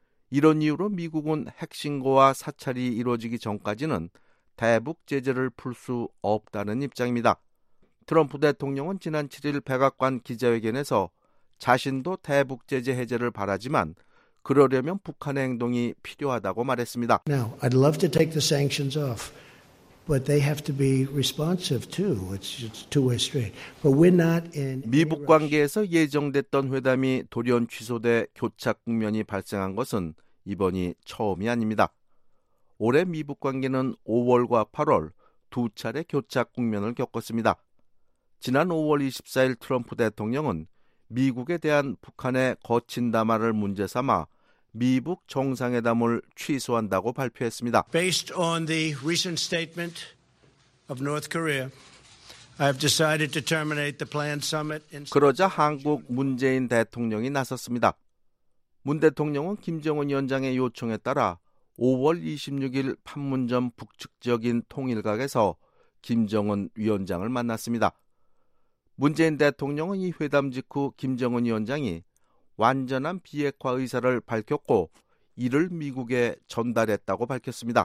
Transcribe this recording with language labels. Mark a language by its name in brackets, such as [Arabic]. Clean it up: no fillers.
[Korean] 이런 이유로 미국은 핵신고와 사찰이 이루어지기 전까지는 대북 제재를 풀 수 없다는 입장입니다. 트럼프 대통령은 지난 7일 백악관 기자회견에서 자신도 대북 제재 해제를 바라지만 그러려면 북한의 행동이 필요하다고 말했습니다. [English] Now, I'd love to take the sanctions off, but they have to be responsive too. It's two-way street. But we're not in [Korean] 미북 관계에서 예정됐던 회담이 돌연 취소돼 교착 국면이 발생한 것은 이번이 처음이 아닙니다. 올해 미북 관계는 5월과 8월 두 차례 교착 국면을 겪었습니다. 지난 5월 24일 트럼프 대통령은 미국에 대한 북한의 거친 담화를 문제 삼아 미북 정상회담을 취소한다고 발표했습니다. [English] Based on the recent statement of North Korea, I have decided to terminate the planned summit. [Korean] 그러자 한국 문재인 대통령이 나섰습니다. 문 대통령은 김정은 위원장의 요청에 따라 5월 26일 판문점 북측 지역인 통일각에서 김정은 위원장을 만났습니다. 문재인 대통령은 이 회담 직후 김정은 위원장이 완전한 비핵화 의사를 밝혔고 이를 미국에 전달했다고 밝혔습니다.